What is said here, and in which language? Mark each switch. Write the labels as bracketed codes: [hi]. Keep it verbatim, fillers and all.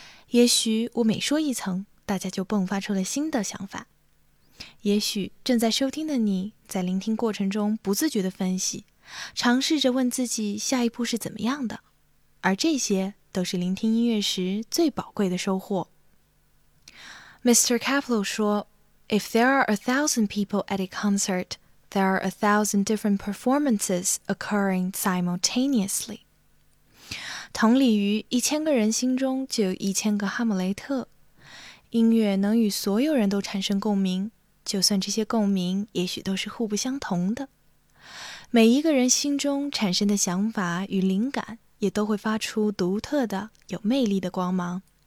[zh] 也许我每说一层，大家就迸发出了新的想法。也许正在收听的你，在聆听过程中不自觉地分析，尝试着问自己下一步是怎么样的。而这些都是聆听音乐时最宝贵的收获。 [en] Mister Kaplow [zh] 说 [en] If there are a thousand people at a concert, there are a thousand different performances occurring simultaneously. [zh] 同理于一千个人心中就有一千个哈姆雷特。音乐能与所有人都产生共鸣，就算这些共鸣也许都是互不相同的。每一个人心中产生的想法与灵感也都会发出独特的、有魅力的光芒。